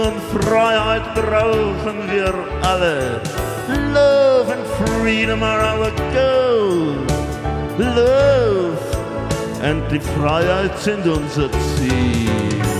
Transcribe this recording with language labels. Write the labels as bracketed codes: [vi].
[de] Freiheit brauchen wir alle. [en] Love and freedom are our goal. Love and [de] die Freiheit sind unser Ziel.